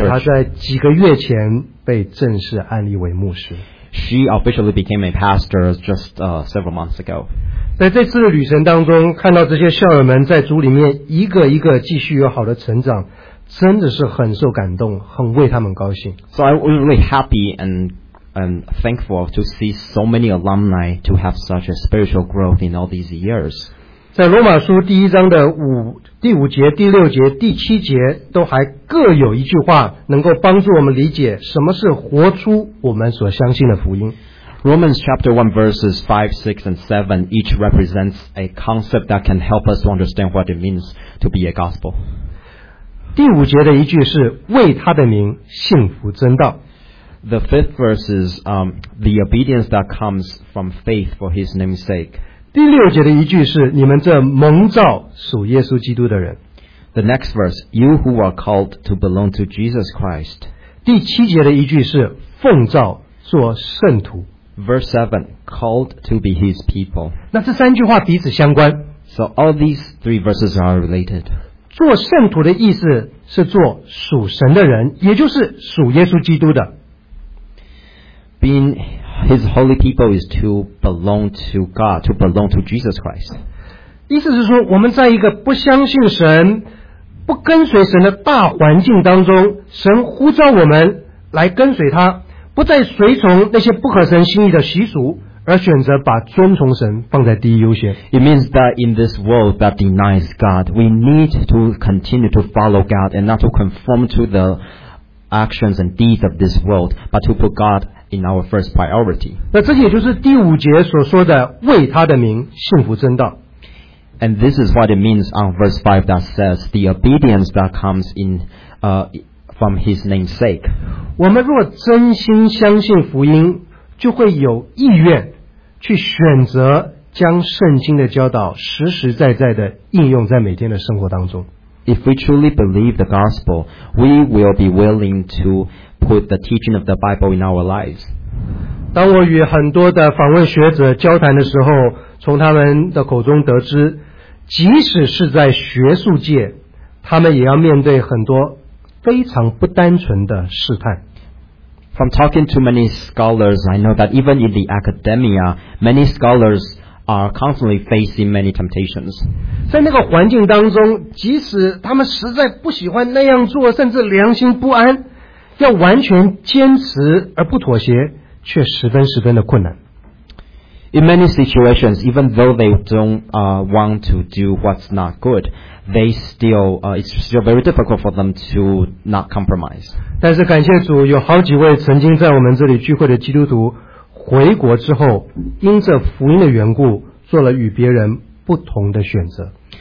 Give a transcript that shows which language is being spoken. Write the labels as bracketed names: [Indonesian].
[Chinese] 而且他在几个月前被正式安立为牧师。 [English] She officially became a pastor just several months ago. [Chinese] 在这次的旅程当中，看到这些校友们在主里面一个一个继续有好的成长，真的是很受感动，很为他们高兴。 [English] So I was really happy and thankful to see so many alumni to have such a spiritual growth in all these years. [Chinese] 在罗马书第一章的第五节、第六节、第七节都还各有一句话，能够帮助我们理解什么是活出我们所相信的福音。 [English] Romans chapter 1 verses 5, 6 and 7 each represents a concept that can help us to understand what it means to be a gospel. [Chinese] 第五节的一句是为他的名信服真道。 [English] The fifth verse is the obedience that comes from faith for his name's sake. [Chinese] 第六节的一句是你们这蒙召属耶稣基督的人。 [English] The next verse, you who are called to belong to Jesus Christ. [Chinese] 第七节的一句是奉召做圣徒。 [English] Verse 7, called to be his people. [Chinese] 那这三句话彼此相关。 [English] So all these three verses are related. [Chinese] 做圣徒的意思是做属神的人，也就是属耶稣基督的。 [English] Being his holy people is to belong to God, to belong to Jesus Christ. [Chinese] 意思是说，我们在一个不相信神、不跟随神的大环境当中，神呼召我们来跟随他。不再随从那些不合神心意的习俗，而选择把遵从神放在第一优先。 [English] It means that in this world that denies God, we need to continue to follow God and not to conform to the actions and deeds of this world, but to put God in our first priority. [Chinese] 那这也就是第五节所说的为他的名信服真道。 [English] And this is what it means on verse 5 that says the obedience that comes from his name's sake. [Chinese] 我们若真心相信福音，就会有意愿去选择将圣经的教导实实在在的应用在每天的生活当中。 [English] If we truly believe the gospel, we will be willing to put the teaching of the Bible in our lives. [Chinese] 当我与很多的访问学者交谈的时候，从他们的口中得知，即使是在学术界，他们也要面对很多非常不单纯的试探。 [English] From talking to many scholars, I know that even in the academia, many scholars are constantly facing many temptations. [Chinese] 在那个环境当中，即使他们实在不喜欢那样做，甚至良心不安，要完全坚持而不妥协，却十分十分的困难。 [English] In many situations, even though they don't want to do what's not good, they still, it's still very difficult for them to not compromise. [Chinese] 但是感谢主，有好几位曾经在我们这里聚会的基督徒回国之后，因着福音的缘故，做了与别人不同的选择。